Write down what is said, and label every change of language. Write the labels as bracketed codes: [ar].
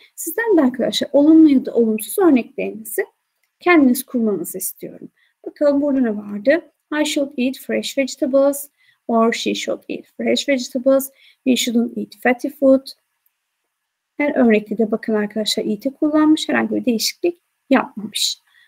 [tr] Sizden de arkadaşlar olumlu ya da olumsuz örneklerinizi kendiniz kurmanızı istiyorum. Bakalım burada ne vardı? [en] I should eat fresh vegetables or she should eat fresh vegetables. We shouldn't eat fatty food. [tr] Her örnekte de bakın arkadaşlar eat'i kullanmış, herhangi bir değişiklik yapmamış.